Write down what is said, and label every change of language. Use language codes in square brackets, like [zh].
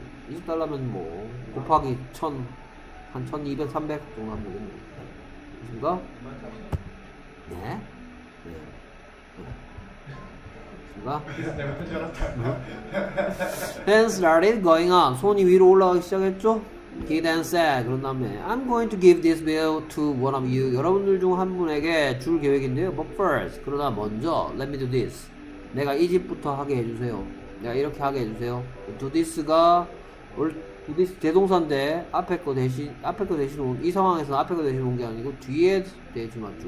[ko] 20달러면 뭐 곱하기 1000, 한 1200, 300 정도 하면 되겠네요. 그렇습니까? 네? 네. 그렇습니까? 그래서 내가 혼자 왔다. [en] Then started going up. [ko] 손이 위로 올라가기 시작했죠? [en] He then said, [ko] 그런 다음에 [en] I'm going to give this bill to one of you. [ko] 여러분들 중 한 분에게 줄 계획인데요. [en] But first, [ko] 그러나 먼저 [en] let me do this. [ko] 내가 이 집부터 하게 해주세요. 내가 이렇게 하게 해주세요. Do this가 두디스 대동사인데 앞에 거 대신 온 이 상황에서 앞에 거 대신 온 게 아니고 뒤에 대신 왔죠.